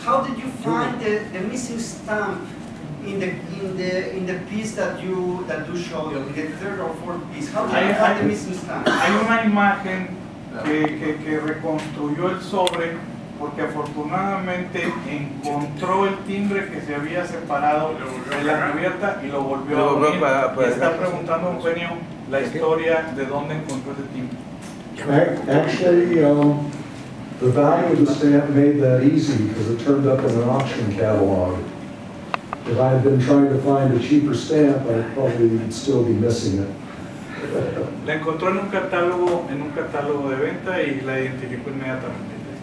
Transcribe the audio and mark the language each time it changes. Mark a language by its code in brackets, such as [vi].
[en] How did you find the missing stamp in the piece that you showed on the third or fourth piece? How did you find the missing stamp? [es] Hay una imagen que reconstruyó el sobre porque afortunadamente encontró el timbre que se había separado de la cubierta y lo volvió a abrir. Y está preguntando Eugenio la historia de dónde encontró ese timbre. [en] Actually, the value of the stamp made that easy because it turned up in an auction catalog. If I had been trying to find a cheaper stamp, I probably would still be missing it. [es] La encontró en un catálogo de venta y la identificó inmediatamente.